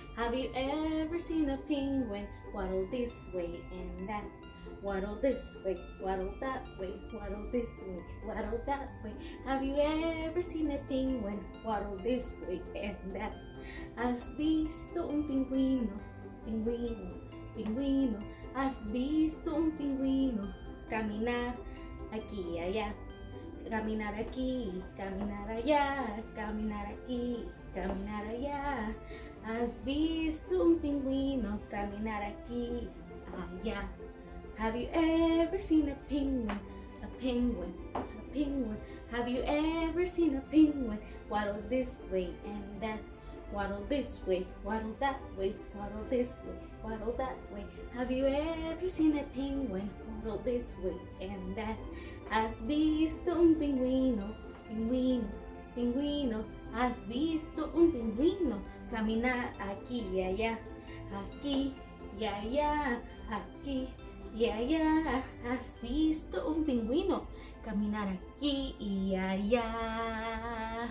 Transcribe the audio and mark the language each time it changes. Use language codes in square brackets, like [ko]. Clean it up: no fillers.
[en] Have you ever seen a penguin waddle this way and that? Waddle this way, waddle that way, waddle this way, waddle that way. Have you ever seen a penguin waddle this way and that? [es] ¿Has visto un pingüino? Pingüino, pingüino. ¿Has visto un pingüino caminar aquí y allá? Caminar aquí, caminar allá, caminar aquí, caminar allá. ¿Has visto un pingüino caminar aquí, allá? [en] Have you ever seen a penguin? A penguin, a penguin. Have you ever seen a penguin waddle this way and that? Waddle this way, waddle that way, waddle this way, waddle that way. Have you ever seen a penguin waddle this way and that? [es] ¿Has visto un pingüino? Pingüino, pingüino. ¿Has visto un pingüino caminar aquí y allá? Aquí y allá, aquí y allá. ¿Has visto un pingüino caminar aquí y allá?